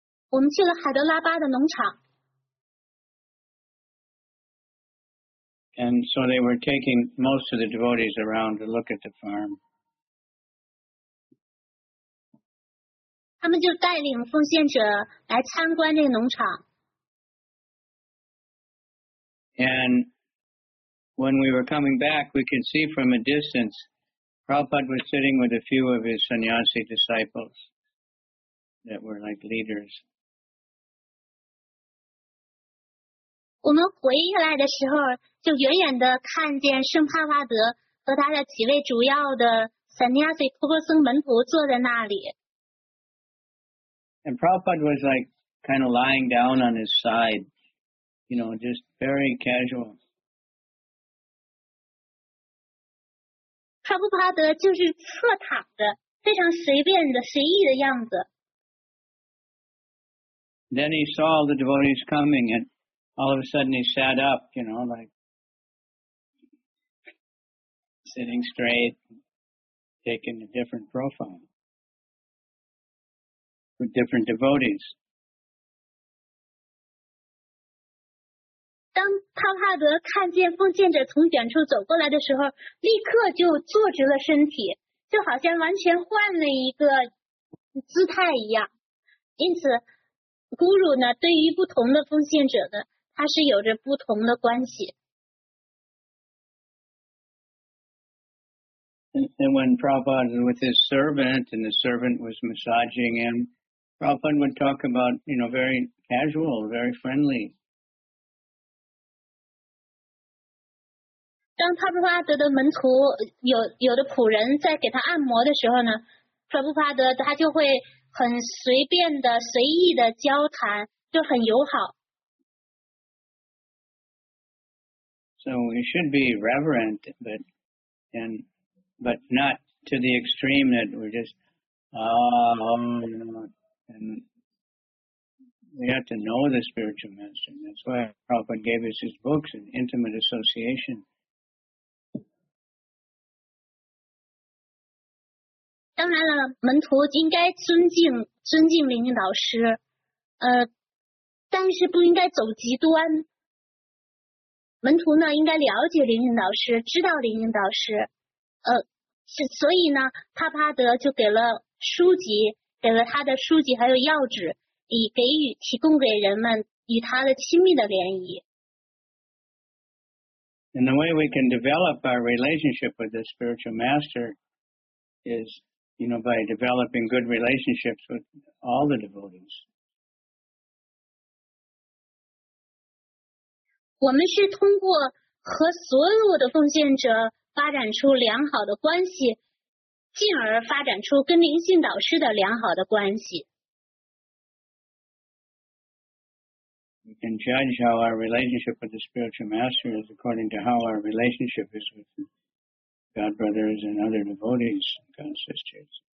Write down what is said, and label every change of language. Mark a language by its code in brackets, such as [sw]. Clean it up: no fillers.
[zh] 我们去了海德拉巴的农场。 [en] And so they were taking most of the devotees around to look at the farm. [zh] 他们就带领奉献者来参观这个农场。 [en] And when we were coming back, we could see from a distance, Prabhupada was sitting with a few of his sannyasi disciples that were like leaders. [zh] 我们回来的时候，就远远地看见圣帕瓦德和他的几位主要的 sannyasi 托钵僧门徒坐在那里。 [en] And Prabhupada was like kind of lying down on his side, you know, just very casual. [zh] 帕布帕德就是侧躺的，非常随便的、随意的样子。 [en] Then he saw all the devotees coming, and all of a sudden he sat up, you know, like sitting straight, taking a different profile with different devotees. [zh] 当帕帕德看见奉献者从远处走过来的时候，立刻就坐直了身体，就好像完全换了一个姿态一样。因此，古鲁呢，对于不同的奉献者呢，他是有着不同的关系。 [en] And when Prabhupada was with his servant, and the servant was massaging him, Prabhupada would talk about, you know, very casual, very friendly. [zh] 当帕布帕德的门徒有的仆人在给他按摩的时候呢，帕布帕德他就会很随便的、随意的交谈，就很友好。 [en] So we should be reverent, but not to the extreme that we're just and we have to know the spiritual master. That's why Prabhupada gave us his books and intimate association. [zh] 当然了，门徒应该尊敬灵性导师，但是不应该走极端。门徒呢，应该了解灵性导师，知道灵性导师，所以呢，帕帕德就给了书籍，给了他的书籍还有药纸，以给予提供给人们与他的亲密的联谊。 [en] And the way we can develop our relationship with the spiritual master is. You know, by developing good relationships with all the devotees. [zh] 我们是通过和所有的奉献者发展出良好的关系，进而发展出跟灵性导师的良好的关系。 [en] We can judge how our relationship with the spiritual master is according to how our relationship is with God brothers and other devotees and God sisters.